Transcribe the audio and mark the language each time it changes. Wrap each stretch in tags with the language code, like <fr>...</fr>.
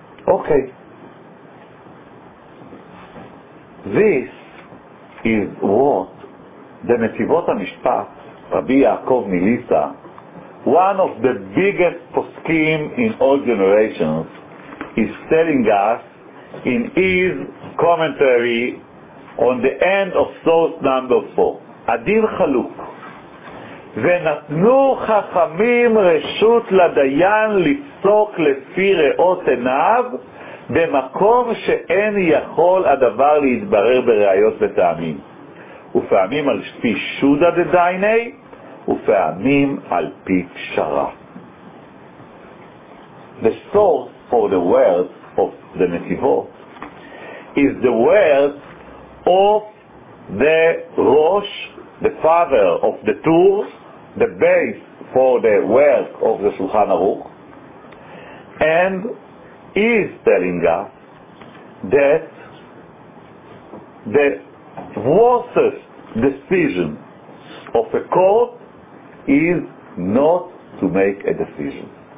<en>Okay, this is what the Netivot HaMishpat, Rabbi Yaakov Nilisa, one of the biggest poskim in all generations, is telling us in his commentary on the end of source number 4.</en> <he>Adin Chaluk. Venatnu chachamim reshut ladayan lipsok lefi reot enav במקום שאין יכול הדבר להתברר בראיות וטעמים, ופעמים על פי שודה דדייני, ופעמים על פי פשרה.</he> <en>The source for the words of the Netivot is the words of the Rosh, the father of the Tur, the base for the work of the Shulchan Aruch, and is telling us that the worstest decision of a court is not to make a decision.</en>